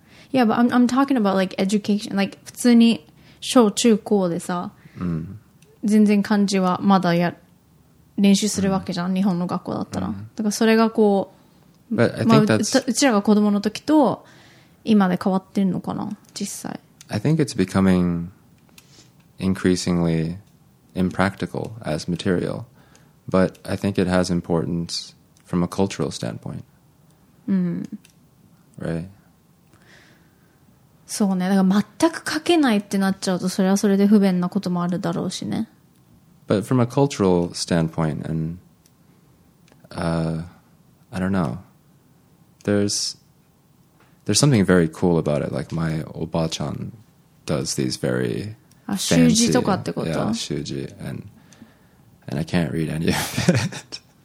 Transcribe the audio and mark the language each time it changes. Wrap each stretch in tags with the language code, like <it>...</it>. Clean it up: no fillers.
<en>Yeah, but I'm talking about like education.</en> <ja>Like, 普通に小中高でさ、全然漢字はまだ練習するわけじゃん、日本の学校だったら。だからそれがこう、うちらが子供の時と今で変わってるのかな、実際。</ja> <en>I think it's becoming increasingly impractical as material, but I think it has importance from a cultural standpoint. Right.</en> <ja>そうね。だから全く書けないってなっちゃうと、それはそれで不便なこともあるだろうしね。</ja> <en>But from a cultural standpoint, and I don't know, there's something very cool about it. Like my obachan. Does these very</en> <ja>fancy, 習字とかってこと?</ja> <en>Yeah, 習字, and I can't read any of it.</en>